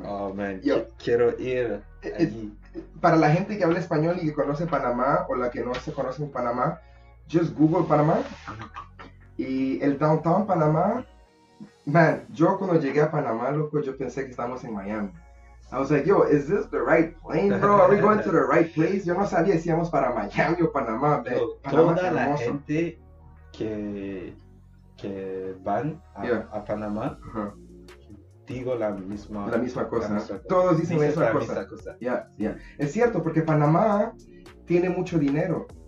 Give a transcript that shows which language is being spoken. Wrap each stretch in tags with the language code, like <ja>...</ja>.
<es>¿no?</es> <en>Oh, man.</en> <es>Yo quiero ir allí. Para la gente que habla español y que conoce Panamá, o la que no se conoce en Panamá,</es> <en>just Google Panamá.</en> <es>Y el downtown Panamá, man, yo cuando llegué a Panamá, loco, yo pensé que estábamos en Miami.</es> <en>I was like, yo, is this the right plane, bro? Are we going to the right place?</en> <es>Yo no sabía si íbamos para Miami o Panamá, pero Panamá toda es hermoso. La gente que van a Panamá, digo la misma cosa. Todos dicen la misma cosa. Es cierto, porque Panamá tiene mucho dinero.</es>